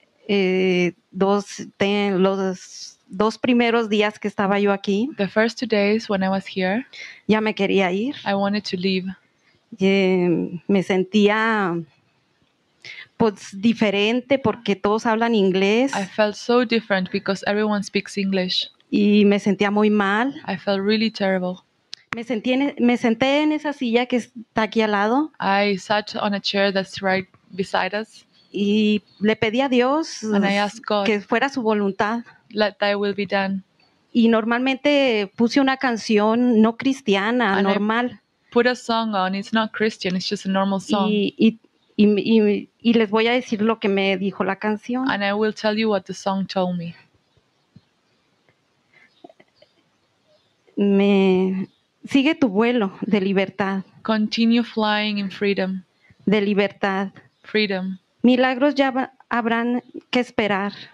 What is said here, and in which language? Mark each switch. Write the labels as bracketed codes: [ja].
[es] Los dos primeros días que estaba yo aquí, [en] the first 2 days when I was here, [es] ya me quería ir. [en] I wanted to leave. [es] Me sentía pues diferente porque todos hablan inglés. [en] I felt so different because everyone speaks English. [es] Y me sentía muy mal. [en] I felt really terrible. [es] Me senté en esa silla que está aquí al lado. [en] I sat on a chair that's right beside us. [es] Y le pedí a Dios [en] and I asked God, [es] que fuera su voluntad. [en] Let thy will be done. [es] y normalmente puse una canción no cristiana, [en] and normal. I put a song on, it's not Christian, it's just a normal song. [es] Y les voy a decir lo que me dijo la canción. [en] And I will tell you what the song told me. [es] Me sigue tu vuelo de libertad. [en] Continue flying in freedom. [es] De libertad. [en] Freedom. [es] Milagros ya habrán que esperar.